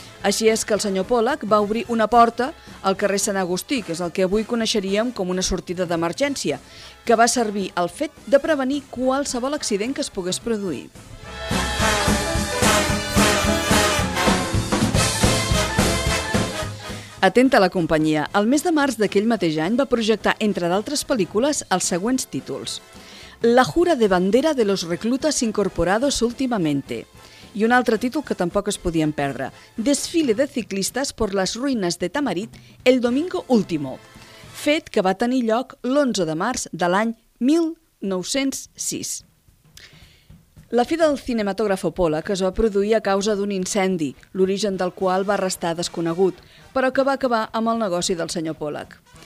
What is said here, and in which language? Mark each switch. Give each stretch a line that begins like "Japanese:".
Catalan: Així és que el senyor Pollack va obrir una porta al carrer Sant Agustí, que és el que avui coneixeríem com una sortida d'emergència, que va servir al fet de prevenir qualsevol accident que es pogués produir. Atenta a la companyia, el mes de març d'aquell mateix any va projectar, entre d'altres pel·lícules, els següents títols.
Spanish: La jura de bandera de los reclutas incorporados últimamente.
Catalan: I un altre títol que tampoc es podien perdre.
Spanish: Desfile de ciclistas por las ruinas de Tamarit el domingo último.
Catalan: Fet que va tenir lloc l'11 de març de l'any 1906. La fi del cinematògrafo Pollack es va produir a causa d'un incendi, l'origen del qual va restar desconegut, però que va acabar amb el negoci del senyor Pollack.